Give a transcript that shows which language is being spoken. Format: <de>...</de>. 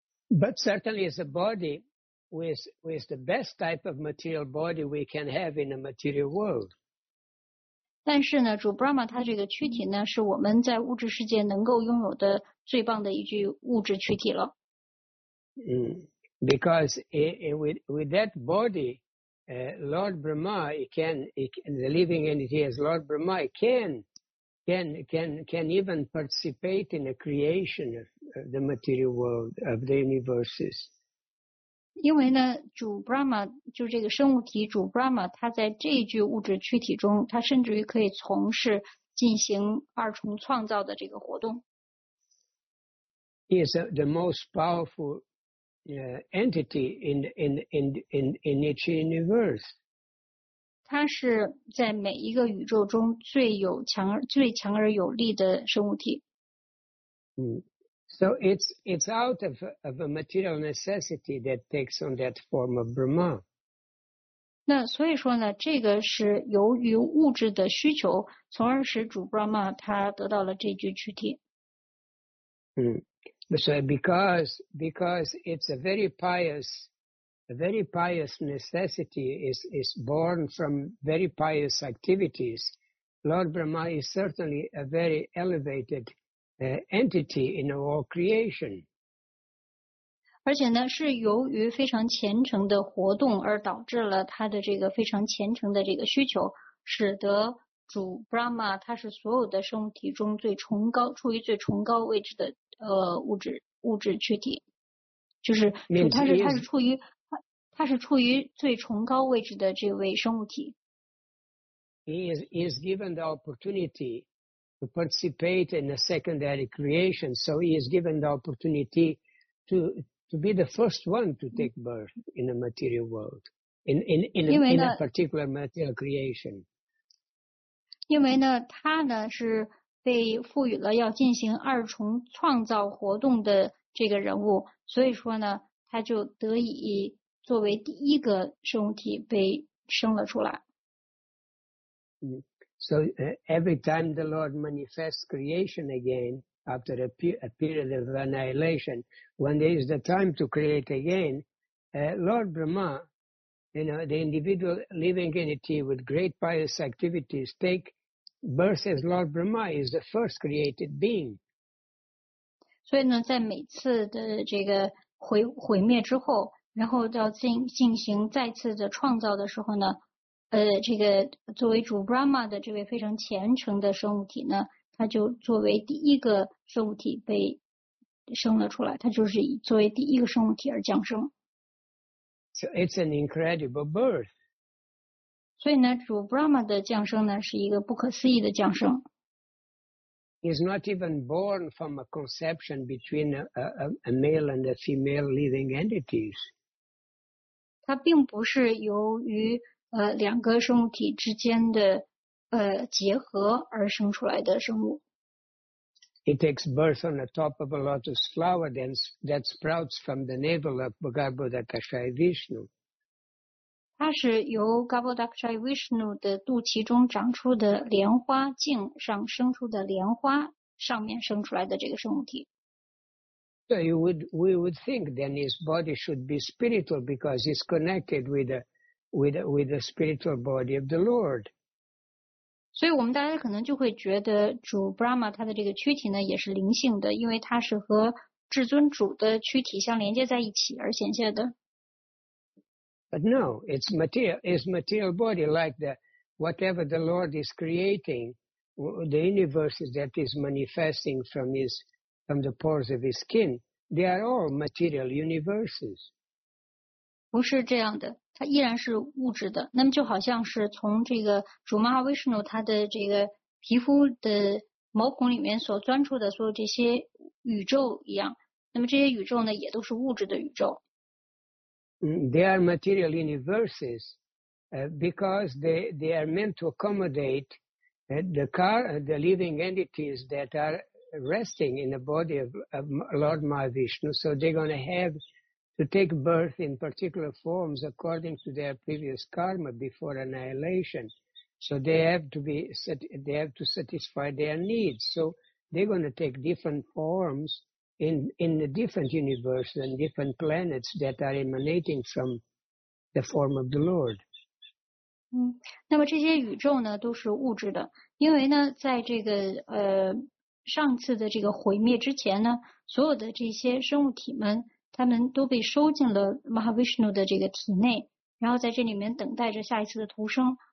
<en>But certainly is a body with the best type of material body we can have in a material world.</en> <zh>但是呢主 Brahma 他这个躯体呢，是我们在物质世界能够拥有的最棒的一具物质躯体了。</zh> <en>Because with that body, Lord Brahma, he can, the living entity as Lord Brahma, can even participate in the creation of the material world of the universes.</en> <zh>因为呢，主 Brahma 就这个生物体主 Brahma， 他在这一具物质躯体中，他甚至于可以从事进行二重创造的这个活动。</zh> <en>He is the most powerful entity in each universe.</en> <zh>他是在每一个宇宙中最强而有力的生物体。</zh> <en>So it's out of a material necessity that takes on that form of Brahma.</en> <zh>那所以说呢，这个是由于物质的需求，从而使主 Brahma 他得到了这具躯体。</zh> <en>So because it's a very pious necessity is born from very pious activities, Lord Brahma is certainly a very elevated entity in all creation.</en> <zh>而且呢，是由于非常虔诚的活动而导致了他的这个非常虔诚的这个需求，使得主 Brahma 他是所有的生物体中最崇高，处于最崇高位置的。物质躯体。就是他是处于他是处于最崇高位置的这位生物体。</zh> <en>He is given the opportunity to participate in the secondary creation, so he is given the opportunity to be the first one to take birth in a material world, in a particular material creation.</en> <zh>因为呢，他呢是被赋予了要进行二重创造活动的这个人物，所以说呢，他就得以作为第一个生物体被生了出来。</zh> <en>So every time the Lord manifests creation again after a period of annihilation, when there is the time to create again, Lord Brahma, you know, the individual living entity with great pious activities, take birth as Lord Brahma, is the first created being.</en> <zh>所以呢，在每次的这个毁灭之后，然后要进行再次的创造的时候呢。这个作为主 Brahma 的这位非常虔诚的生物体呢，他就作为第一个生物体被生了出来，他就是以作为第一个生物体而降生。</zh> <en>So it's an incredible birth.</en> <zh>所以呢，主 Brahma 的降生呢是一个不可思议的降生。</zh> <en>He's not even born from a conception between a male and a female living entities.</en> <zh>他并不是由于两个生物体之间的结合而生出来的生物。</zh> <en>It takes birth on the top of a lotus flower that sprouts from the navel of Gaboda Kshay Vishnu.</en> <zh>它是由 Gaboda Kshay Vishnu 的肚脐中长出的莲花茎上生出的莲花上面生出来的这个生物体。</zh> <en>So we would think then his body should be spiritual because he's connected with the spiritual body of the Lord.</en> <zh>所以我们大家可能就会觉得主 Brahma 他的这个躯体呢也是灵性的，因为他是和至尊主的躯体相连接在一起而显现的。</zh> <en>But no, it's material body like the whatever the Lord is creating, the universes that is manifesting from the pores of his skin, they are all material universes.</en> <zh>不是这样的。它依然是物质的，那么就好像是从这个主 Mahavishnu 他的这个皮肤的毛孔里面所钻出的所有这些宇宙一样，那么这些宇宙呢也都是物质的宇宙。</zh> <en>They are material universes, because they are meant to accommodate the living entities that are resting in the body of Lord Mahavishnu, so they're going to have. To take birth in particular forms according to their previous karma before annihilation. So they have to satisfy their needs. So they're going to take different forms in the different universes and different planets that are emanating from the form of the Lord.</en> <zh>那么这些宇宙呢都是物质的。因为呢在这个上次的这个毁灭之前呢所有的这些生物体们他们都被收进了 Mahavishnu 的这个体内，然后在这里面等待着下一次的投生。</zh>